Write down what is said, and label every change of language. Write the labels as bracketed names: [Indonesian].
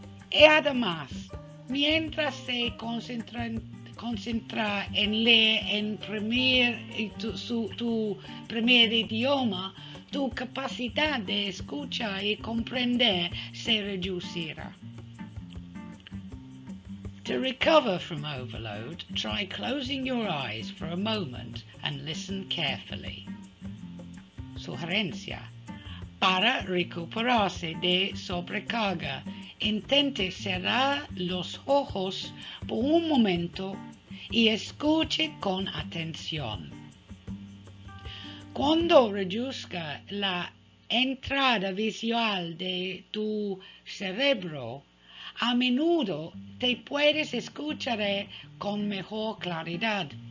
[Spanish] Y además, mientras se concentra en leer en tu primer idioma, tu capacidad de escuchar y comprender se reducirá. [English] To recover from overload, try closing your eyes for a moment and listen carefully. [Spanish] Sugerencia. Para recuperarse de sobrecarga, intente cerrar los ojos por un momento y escuche con atención. Cuando reduzca la entrada visual de tu cerebro, a menudo te puedes escuchar con mejor claridad.